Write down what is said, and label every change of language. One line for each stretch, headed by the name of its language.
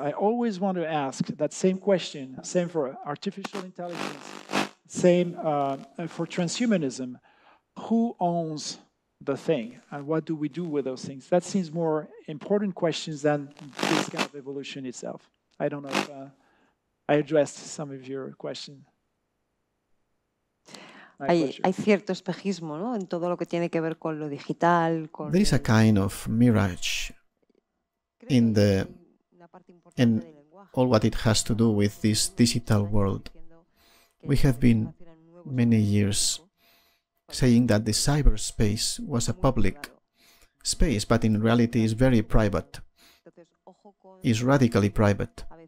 English: I always want to ask that same question, same for artificial intelligence, same for transhumanism. Who owns the thing, and what do we do with those things? That seems more important questions than this kind of evolution itself. I don't know if I addressed some of your question.
Spanish: Hay cierto espejismo, ¿no? En todo lo que tiene que ver con lo digital.
English: There is a kind of mirage in the in all what it has to do with this digital world. We have been many years saying that the cyberspace was a public space, but in reality is very private, is radically private.